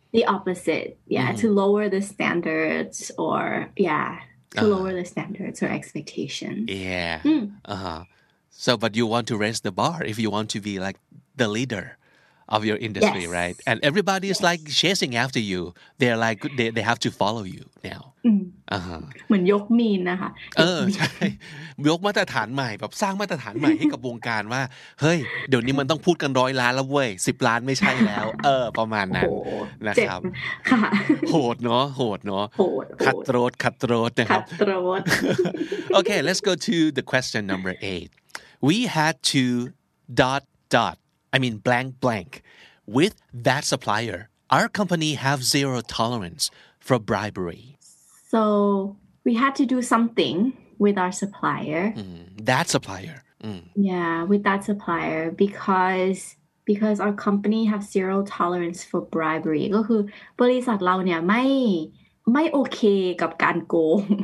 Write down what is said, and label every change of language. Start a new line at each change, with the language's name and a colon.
English: The opposite. Yeah. Mm-hmm. To lower the standards lower the standards or expectations. Yeah. So, but you want to raise the bar if you want to be like the leader of your industry, yes. right? And everybody is like chasing after you. They're like, they have to follow you now.
Thai: Mm. เหมือนยกมีนนะคะ เออใช่ยกมาตรฐานใหม่แบบสร้างมาตรฐานใหม่ให้กับวงการว่าเฮ้ยเดี๋ยวนี้มันต้องพูดกันร้อยล้านแล้วเว้ย10ล้านไม่ใช่แล้วเออประมาณนั้นนะครับ ค่ ะ โหดเนาะโหดเนาะ โหด คัตโธรตนะครับ คัตโธรต
English: โอเค let's go to the question number 8 we had to dot dot I mean blank blank with that supplier our company have zero tolerance for bribery So we had to do something with our supplier. That supplier. Yeah, with that supplier because our company have zero tolerance for bribery.
Thai: ก็คือบริษัทเราเนี่ยไม่โอเคกับการโกง